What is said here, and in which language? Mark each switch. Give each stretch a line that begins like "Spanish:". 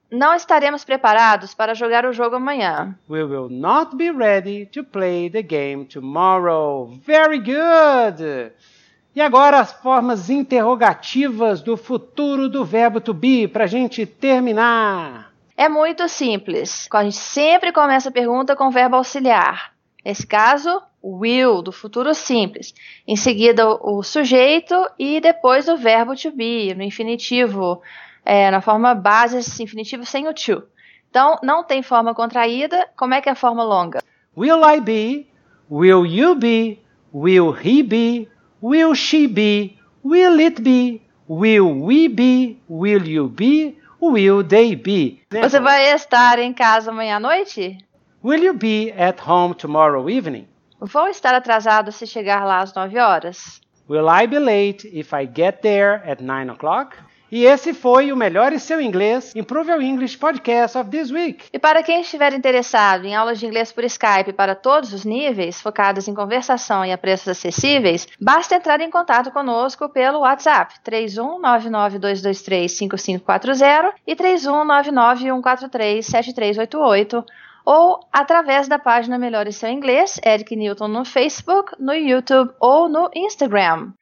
Portuguese: Não estaremos preparados para jogar o jogo amanhã.
English: We will not be ready to play the game tomorrow. Very good!
Portuguese: E agora as formas interrogativas do futuro do verbo to be, para a gente terminar. É muito simples. A gente sempre começa a pergunta com o verbo auxiliar. Nesse caso, will, do futuro simples. Em seguida, o sujeito e depois o verbo to be, no infinitivo, na forma base, infinitivo sem o to. Então, não tem forma contraída. Como é que é a forma longa?
English: Will I be? Will you be? Will he be? Will she be? Will it be? Will we be? Will you be? Will they be?
Portuguese: Você vai estar em casa amanhã à noite?
English: Will you be at home tomorrow evening?
Portuguese: Vou estar atrasado se chegar lá às 9 horas.
English: Will I be late if I get there at 9 o'clock?
Portuguese: E esse foi o Melhor e Seu Inglês,
English: Improve Your English Podcast of this week.
Portuguese: E para quem estiver interessado em aulas de inglês por Skype para todos os níveis, focadas em conversação e a preços acessíveis, basta entrar em contato conosco pelo WhatsApp 31992235540 e 31991437388 ou através da página Melhor e Seu Inglês, Eric Newton no Facebook, no YouTube ou no Instagram.